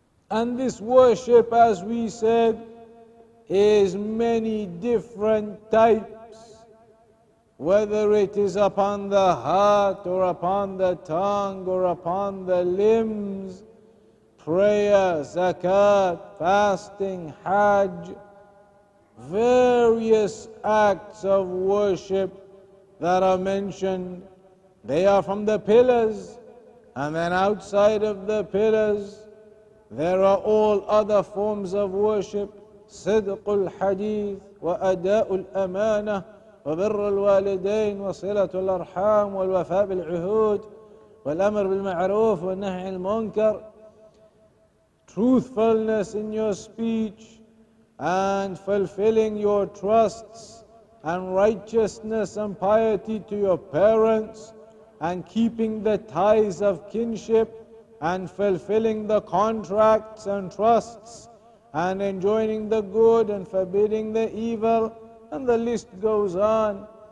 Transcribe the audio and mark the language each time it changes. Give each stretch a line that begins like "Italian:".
English: And this worship, as we said, is many different types, whether it is upon the heart or upon the tongue or upon the limbs, prayer, zakat, fasting, hajj, various acts of worship that are mentioned. They are from the pillars, and then outside of the pillars, there are all other forms of worship.
Arabic: صدق الحديث وأداء الأمانة وبر الوالدين وصلة الأرحام والوفاء بالعهود والأمر بالمعروف والنهي عن المنكر.
English: Truthfulness in your speech and fulfilling your trusts and righteousness and piety to your parents and keeping the ties of kinship and fulfilling the contracts and trusts and enjoining the good and forbidding the evil, and the list goes on.